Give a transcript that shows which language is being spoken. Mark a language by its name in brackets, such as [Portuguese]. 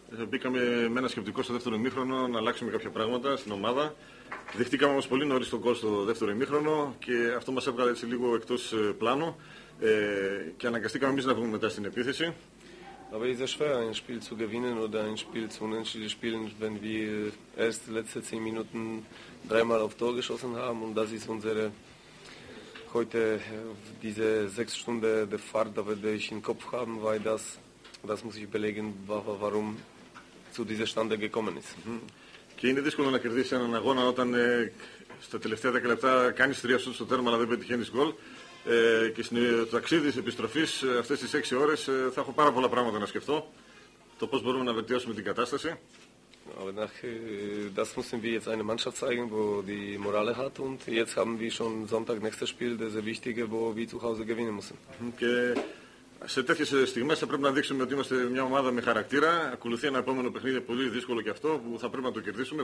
[Greek] Μπήκαμε με ένα σκεπτικό στο δεύτερο ημίχρονο να αλλάξουμε κάποια πράγματα στην ομάδα. Δεχτήκαμε όμως πολύ νωρίς τον κόλ στο δεύτερο ημίχρονο και αυτό μας έβγαλε έτσι λίγο εκτός πλάνου και αναγκαστήκαμε εμείς να βγούμε μετά στην επίθεση. [German] Aber es ist schwer, ein Spiel zu gewinnen oder ein Spiel zu unentschieden spielen, wenn wir erst letzte 10 Minuten dreimal auf Tor geschossen haben. Und das ist unsere, heute diese 6 Stunden der Fahrt, die ich im Kopf habe, weil das muss ich belegen, warum zu diesem Stand gekommen ist. [Greek] Και είναι δύσκολο να κερδίσεις έναν αγώνα όταν στα τελευταία 10 λεπτά κάνεις 3 σούτ στο τέρμα αλλά δεν πετυχαίνεις γκολ. Και στο ταξίδι της επιστροφής αυτές τις 6 ώρες θα έχω πάρα πολλά πράγματα να σκεφτώ το πώς μπορούμε να βελτιώσουμε την κατάσταση. [German] Aber nach das müssen wir jetzt eine Mannschaft zeigen, wo die Morale hat und jetzt haben wir schon Sonntag nächstes Spiel, das ist wichtige, wo wir zu Hause gewinnen müssen. [Greek] Και σε τέτοιες στιγμές θα πρέπει να δείξουμε ότι είμαστε μια ομάδα με χαρακτήρα. Ακολουθεί ένα επόμενο παιχνίδι πολύ δύσκολο και αυτό που θα πρέπει να το κερδίσουμε.